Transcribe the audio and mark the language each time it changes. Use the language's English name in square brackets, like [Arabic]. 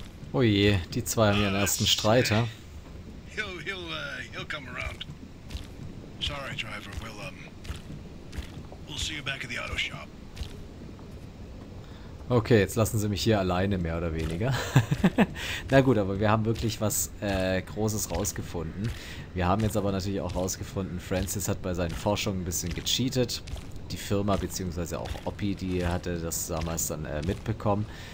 [German] Oh je, die zwei haben ihren ersten Streiter. [English] He'll come around. Sorry, driver, we'll see you back at the auto shop. [German] Okay, jetzt lassen sie mich hier alleine, mehr oder weniger. Na gut, aber wir haben wirklich was Großes rausgefunden. Wir haben jetzt aber natürlich auch rausgefunden, Francis hat bei seinen Forschungen ein bisschen gecheatet. Die Firma, beziehungsweise auch Oppie, die hatte das damals dann mitbekommen.